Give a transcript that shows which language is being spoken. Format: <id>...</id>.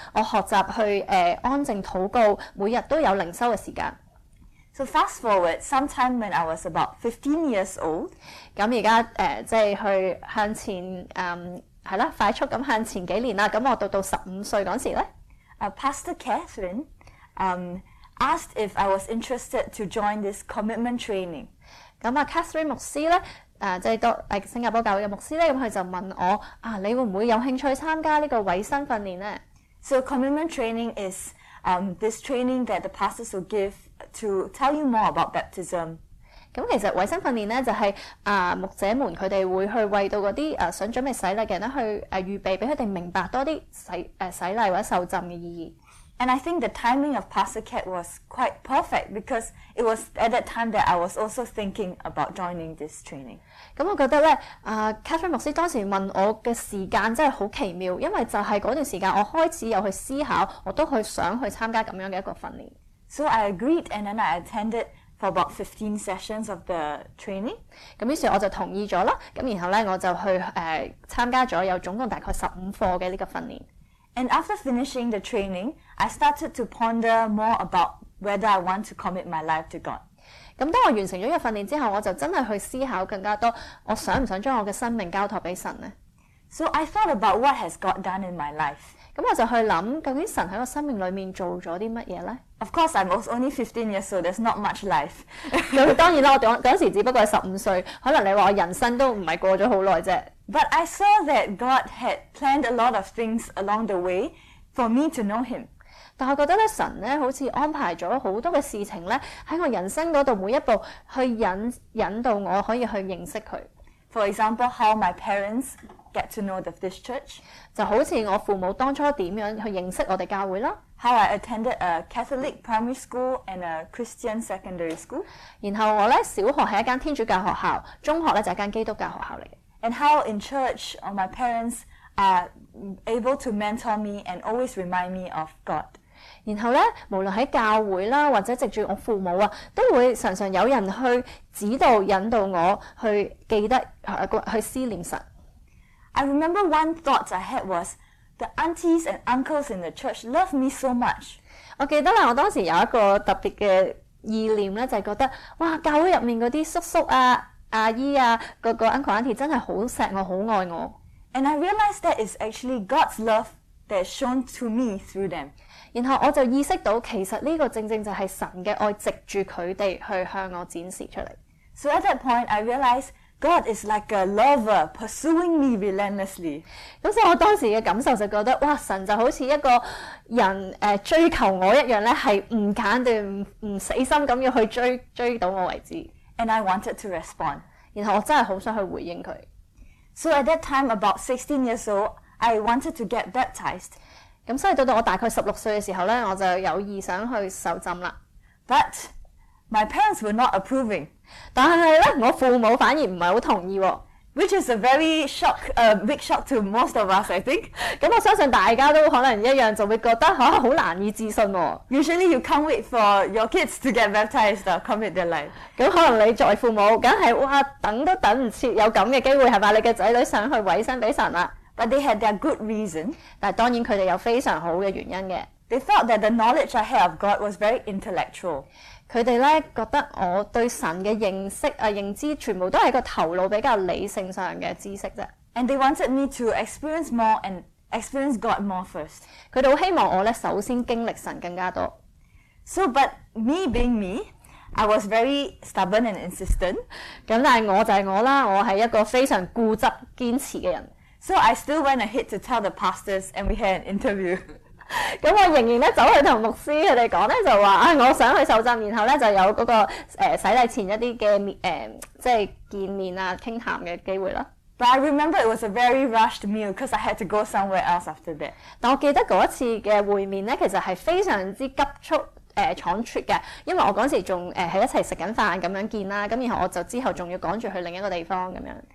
<yue>我學習去安靜禱告，每日都有靈修嘅時間。</yue> <en>So fast forward, sometime when I was about 15 years old.</en> <yue>咁而家即係去向前係啦，快速咁向前幾年啦。咁我到15歲嗰時咧</yue> <en>，Pastor Catherine, asked if I was interested to join this commitment training.</en> <yue>咁啊 ，Catherine 牧師咧，新加坡教會嘅牧師咧，咁佢就問我啊，你會唔會有興趣參加呢個委身訓練咧</yue> <en>？So commitment training is this training that the pastors will give to tell you more about baptism.</en> <yue>咁其實委身訓練咧就係牧者們佢哋會去為到嗰啲想準備洗禮嘅人咧去預備，俾佢哋明白多啲洗禮或者受浸嘅意義。</yue> <en>And I think the timing of Pastor Cat was quite perfect because it was at that time that I was also thinking about joining this training.</en> <yue>咁我覺得咧，Catherine 牧師當時問我嘅時間真係好奇妙，因為就係嗰段時間我開始有去思考，我都去想去參加咁樣嘅一個訓練。</yue> <en>So I agreed, and then I attended for about 15 sessions of the training.</en> <yue>咁於是我就同意咗啦。咁然後咧，我就去參加咗有總共大概15課嘅呢個訓練。</yue> <en>And after finishing the training, I started to ponder more about whether I want to commit my life to God.</en> <yue>咁當我完成咗呢個訓練之後，我就真係去思考更加多，我想唔想將我嘅生命交託俾神咧</yue> <en>？So I thought about what has God done in my life.</en> <yue>咁我就去諗，究竟神喺我生命裡面做咗啲乜嘢咧</yue> <en>？Of course, I was only 15 years old. There's not much life.</en> <yue>咁當然啦，我嗰時只不過係15歲，可能你話我人生都唔係過咗好耐啫。</yue> <en>But I saw that God had planned a lot of things along the way for me to know Him.</en> <yue>但我覺得咧，神咧好似安排咗好多嘅事情咧，喺我人生嗰度每一步去引導我可以去認識佢。</yue> <en>For example, how my parents get to know this church.</en> <yue>就好似我父母當初點樣去認識我哋教會啦。</yue> <en>How I attended a Catholic primary school and a Christian secondary school.</en> <yue>然後我咧小學係一間天主教學校，中學咧就係間基督教學校嚟嘅。</yue> <en>And how in church, or my parents are able to mentor me and always remind me of God.</en> <yue>然後咧，無論喺教會啦，或者藉住我父母啊，都會常常有人去指導、引導我去記得、去思念神。</yue> <en>I remember one thought I had was the aunties and uncles in the church love me so much。</en> <yue>我記得咧，我當時有一個特別嘅意念咧，就係覺得哇，教會入面嗰啲叔叔啊、阿姨啊、個</yue> <en>uncle auntie</en> <yue>真係好錫我、好愛我。</yue> <en>And I realized that is actually God's love that is shown to me through them。</en> <yue>然後我就意識到，其實呢個正正就係神嘅愛，藉住佢哋去向我展示出嚟。</yue> <en>So at that point, I realized God is like a lover pursuing me relentlessly。</en> <yue>咁所以我當時嘅感受就覺得，哇！神就好似一個人追求我一樣咧，係唔間斷、唔死心咁要去追到我為止。</yue> <en>And I wanted to respond。</en> <yue>然後我真係好想去回應佢。</yue> <en>So at that time, about 16 years old, I wanted to get baptized。</en> <yue>咁所以到我大概16歲嘅時候咧，我就有意想去受浸啦。</yue> <en>But my parents were not approving。</en> <yue>但係咧，我父母反而唔係好同意喎。</yue> <en>Which is a very shock, big shock to most of us, I think。</en> <yue>咁我相信大家都可能一樣，就會覺得嚇好難以置信喎。</yue> <en>Usually you can't wait for your kids to get baptized or commit their life。</en> <yue>咁可能你作為父母，梗係哇等都等唔切有咁嘅機會係嘛？你嘅仔女想去委身俾神啦。</yue> <en>But they had their good reason。</en> <yue>但當然佢哋有非常好嘅原因嘅。</yue> <en>They thought that the knowledge I had of God was very intellectual。</en> <yue>佢哋咧覺得我對神嘅認識啊認知，全部都係個頭腦比較理性上嘅知識啫。</yue> <en>And they wanted me to experience more and experience God more first。</en> <yue>佢哋好希望我咧首先經歷神更加多。</yue> <en>So, but me being me, I was very stubborn and insistent。</en> <yue>咁但係我就係我啦，我係一個非常固執堅持嘅人。</yue> <en>So I still went ahead to tell the pastors, and we had an interview。</en> <yue>咁我仍然咧走去同牧师佢哋讲咧，就话啊，我想去受浸，然后咧就有嗰、那个洗礼前一啲嘅即系见面啊、倾谈嘅机会啦。</yue> <en>But I remember it was a very rushed meal because I had to go somewhere else after that。</en> <yue>但我记得嗰一次嘅会面咧，其实系非常之急促仓促嘅，因为我嗰时仲喺一齐食紧饭咁样见啦，咁然后我就之后仲要赶住去另一个地方咁样。</yue>